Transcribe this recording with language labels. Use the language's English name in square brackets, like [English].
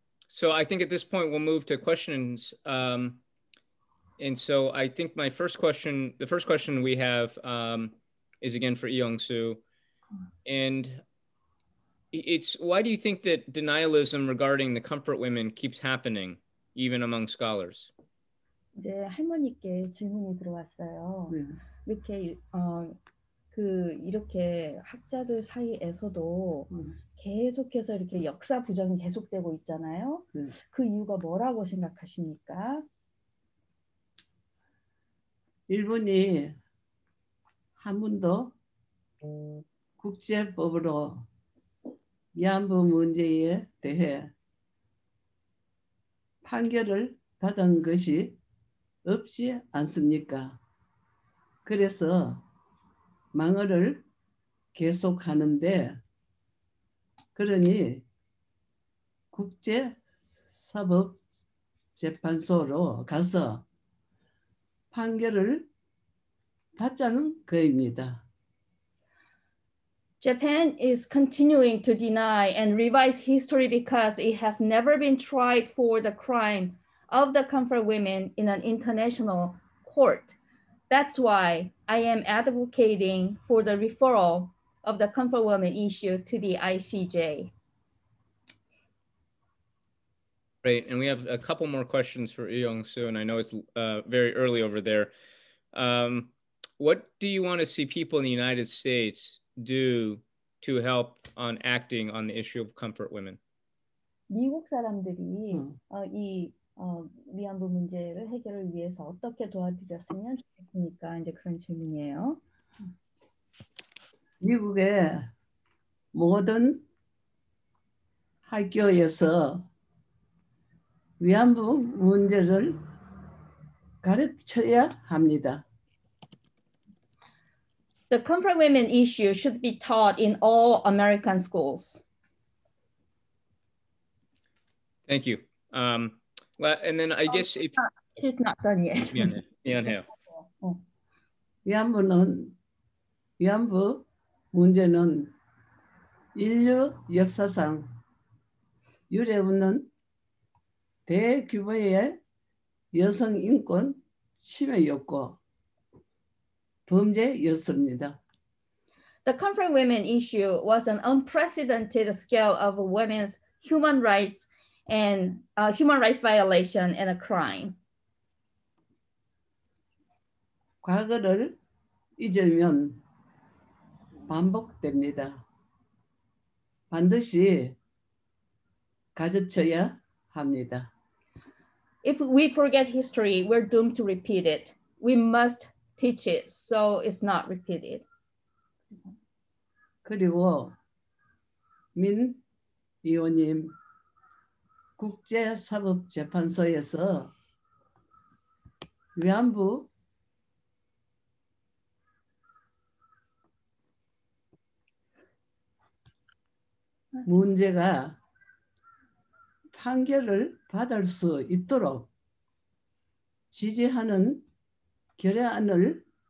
[English] So I think at this point we'll move to questions. And so I think my first question, the first question we have is again for Yongsu. And it's, why do you think that denialism regarding the comfort women keeps happening even among scholars? [Korean] 이제 할머니께 질문이 들어왔어요. 이렇게 그 이렇게 학자들 사이에서도 계속해서 이렇게 역사 부정이 계속되고 있잖아요. 그 이유가 뭐라고 생각하십니까? 일본이 한 번도 국제법으로 위안부 문제에 대해 판결을 받은 것이 없지 않습니까? 그래서 망언을 계속하는데 그러니 국제사법재판소로 가서 판결을 받자는 거입니다. [English] Japan is continuing to deny and revise history because it has never been tried for the crime of the comfort women in an international court. That's why I am advocating for the referral of the comfort women issue to the ICJ. Great, and we have a couple more questions for Yongsu, and I know it's very early over there. What do you want to see people in the United States do to help on acting on the issue of comfort women? [Korean] 미국 사람들이 이 위안부 문제를 해결을 위해서 어떻게 도와드렸으면 좋겠습니까? 이제 그런 질문이에요. 미국의 모든 학교에서 위안부 문제를 가르쳐야 합니다. [English] The comfort women issue should be taught in all American schools. Thank you. And then I guess if she's not done yet. [Korean] 미안해요. 위안부 문제는 인류 역사상 유례없는 대규모의 여성 인권 침해였고 범죄였습니다. [English] The comfort women issue was an unprecedented scale of women's human rights and human rights violation and a crime. [Korean] 과거를 잊으면 반복됩니다. 반드시 가르쳐야 합니다. [English] If we forget history, we're doomed to repeat it. We must teach it so it's not repeated. [Korean] 그리고 민 의원님, 국제사법재판소에서 위안부 문제가 판결을 받을 수 있도록 지지하는 결의안을